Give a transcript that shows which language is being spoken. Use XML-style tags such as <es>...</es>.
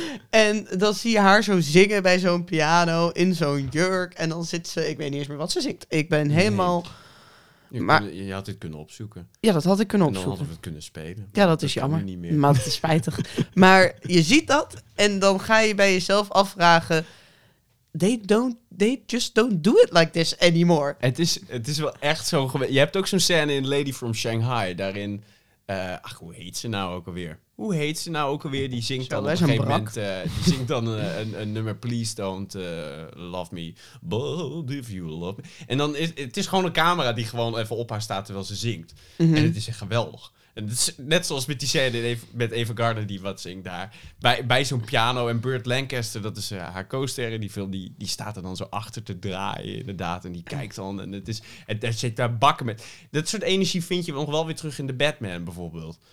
<nl>En dan zie je haar zo zingen bij zo'n piano in zo'n jurk. En dan zit ze, ik weet niet eens meer wat ze zingt. Ik ben helemaal... Nee. Je had dit kunnen opzoeken. Ja, dat had ik kunnen opzoeken. En dan hadden we het kunnen spelen. Ja, dat is jammer. Niet meer. Maar het is spijtig. Maar je ziet dat en dan ga je bij jezelf afvragen...</nl> <en>They just don't do it like this anymore.</en> <nl>Het is wel echt zo geweest. Je hebt ook zo'n scène in Lady from Shanghai. Daarin, hoe heet ze nou ook alweer? Hoe heet ze nou ook alweer? Die zingt dan op een gegeven moment een nummer.</nl> <en>Please don't love me, but if you love me.</en> <nl>En dan is het gewoon een camera die gewoon even op haar staat terwijl ze zingt. Mm-hmm. En het is echt geweldig. En het is net zoals met die scène met Ava Gardner die wat zingt daar. Bij zo'n piano en Burt Lancaster, dat is haar co-ster in die film, die staat er dan zo achter te draaien inderdaad. En die kijkt dan en het zit daar bakken met. Dat soort energie vind je nog wel weer terug in de Batman bijvoorbeeld.</nl>